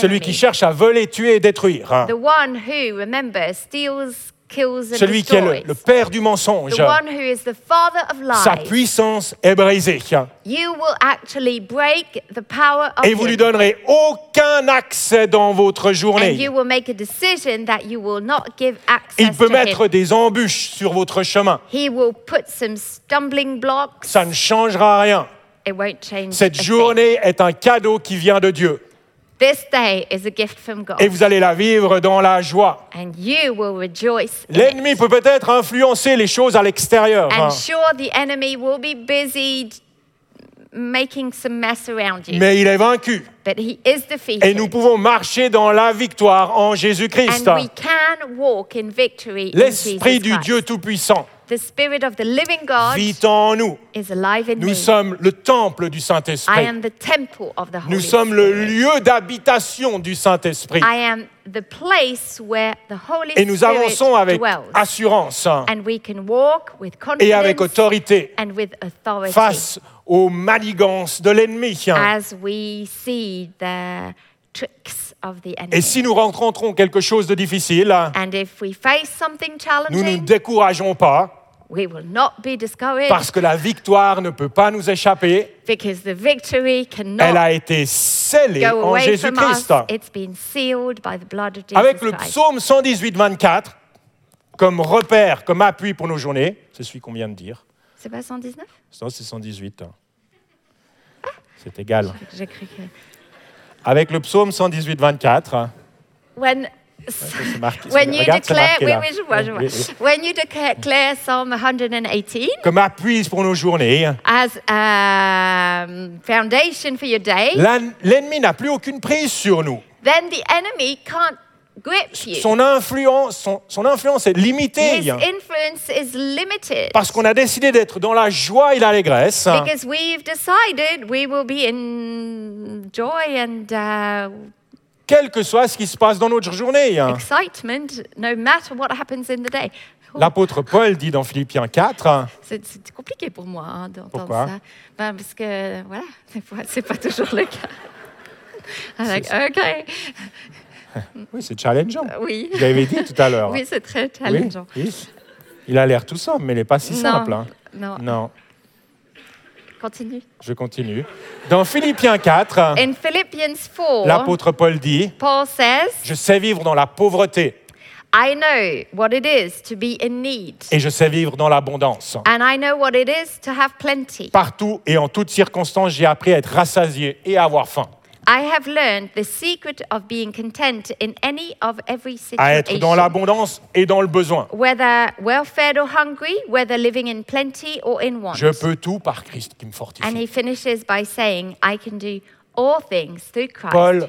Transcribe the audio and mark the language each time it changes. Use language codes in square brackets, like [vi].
[fr] celui qui cherche à voler, tuer et détruire, [en] the one who, remember, steals, kills and destroys, [fr] celui qui est le père du mensonge, [en] the one who is the father of lies, [fr] sa puissance est brisée. [en] You will actually break the power of [fr] et vous [en] the [fr] lui donnerez aucun accès dans votre journée. [en] And you will make a decision that you will not give access. [fr] Il peut [en] to [fr] mettre [en] him. [fr] Des embûches sur votre chemin. [en] He will put some stumbling blocks. [fr] Ça ne changera rien. [en] It won't change. [fr] Cette journée est un cadeau qui vient de Dieu. [en] This day is a gift from God. [fr] Et vous allez la vivre dans la joie. [en] And you will rejoice. [fr] L'ennemi [en] in it. [fr] Peut peut-être influencer les choses à l'extérieur. [en] And sure, the enemy will be busy making some mess around you. [fr] Mais il est vaincu. [en] But he is defeated. [fr] Et nous pouvons marcher dans la victoire en Jésus-Christ. [en] And we can walk in victory. [fr] L'Esprit [en] in Jesus [fr] du Dieu Tout-Puissant. [en] The spirit of the living God [fr] vit en nous. [en] Is alive in [fr] nous [en] me. [fr] Sommes le temple du Saint-Esprit. [en] I am the temple of the Holy [fr] nous [en] Spirit. [fr] Sommes le lieu d'habitation du Saint-Esprit. [en] I am the place where the Holy Spirit [fr] et nous avançons avec [en] dwells. [fr] Assurance [en] and we can walk with confidence [fr] et avec autorité [en] and with authority [fr] face aux manigances de l'ennemi. [en] As we see the tricks of the enemy. [fr] Et si nous rencontrons quelque chose de difficile, [en] and if we face something challenging, [fr] nous ne nous décourageons pas, [en] we will not be discouraged, [fr] parce que la victoire ne peut pas nous échapper, [en] because the victory cannot, [fr] elle a été scellée en [en] Jésus-Christ, it's been sealed by the blood of Jesus. [fr] Avec le psaume 118:24 comme repère, comme appui pour nos journées, c'est celui qu'on vient de dire. C'est pas 119? Non, c'est 118. C'est égal. J'ai cru que... Avec le psaume 118:24. [en] When, when you declare, when you declare Psalm 118, [fr] comme appui pour nos journées, [en] as a foundation for your day, [fr] l'ennemi n'a plus aucune prise sur nous. [en] Then the enemy can't grip you. [fr] Son influence est limitée. [en] His influence is limited. [fr] Parce qu'on a décidé d'être dans la joie et l'allégresse. [en] Because we've decided we will be in joy and [fr] quel que soit ce qui se passe dans notre journée. [en] Excitement, no matter what happens in the day. [fr] L'apôtre Paul dit dans Philippiens 4. C'est compliqué pour moi d'entendre pourquoi? Ça. Ben, parce que voilà, des fois c'est pas toujours le cas. [en] I'm like, okay. [fr] Oui, c'est challengeant. Oui. Vous l'avez dit tout à l'heure. Oui, c'est très challengeant. Oui. Il a l'air tout simple, mais il n'est pas si simple. Non. Hein. Non. Continue. Je continue. Dans Philippiens 4, [en] in Philippians 4, [fr] l'apôtre Paul dit, [en] Paul says, [fr] je sais vivre dans la pauvreté. [en] I know what it is to be in need. [fr] Et je sais vivre dans l'abondance. [en] And I know what it is to have plenty. [fr] Partout et en toutes circonstances, j'ai appris à être rassasié et à avoir faim. [en] I have learned the secret of being content in any of every situation. [fr] À être dans l'abondance et dans le besoin. [en] Whether well-fed or hungry, whether living in plenty or in want. [fr] Je peux tout par Christ qui me fortifie. [en] And he finishes by saying, I can do all things through Christ who gives